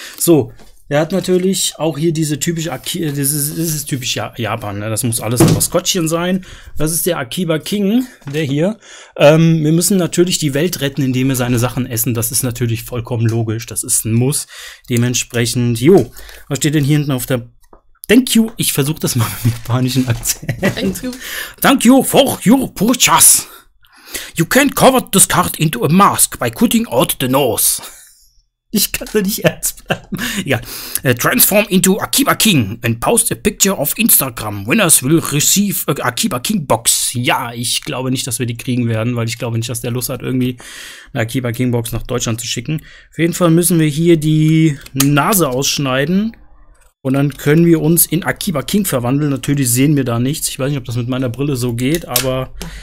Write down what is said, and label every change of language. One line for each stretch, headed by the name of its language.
German: So, er hat natürlich auch hier diese typische Akiba, das ist typisch Japan, ne? Das muss alles ein Maskottchen sein. Das ist der Akiba King, der hier. Wir müssen natürlich die Welt retten, indem wir seine Sachen essen. Das ist natürlich vollkommen logisch. Das ist ein Muss. Dementsprechend, jo. Was steht denn hier hinten auf der...
English: Thank you.
German: Ich versuche das mal mit dem japanischen Akzent.
English: Thank you. Thank you for your purchase. You can cover this card into a mask by cutting out the nose.
German: Ich kann da nicht ernst bleiben. Ja.
English: Transform into Akiba King and post a picture of Instagram. Winners will receive Akiba King Box.
German: Ja, ich glaube nicht, dass wir die kriegen werden, weil ich glaube nicht, dass der Lust hat, irgendwie eine Akiba King Box nach Deutschland zu schicken. Auf jeden Fall müssen wir hier die Nase ausschneiden und dann können wir uns in Akiba King verwandeln. Natürlich sehen wir da nichts. Ich weiß nicht, ob das mit meiner Brille so geht, aber...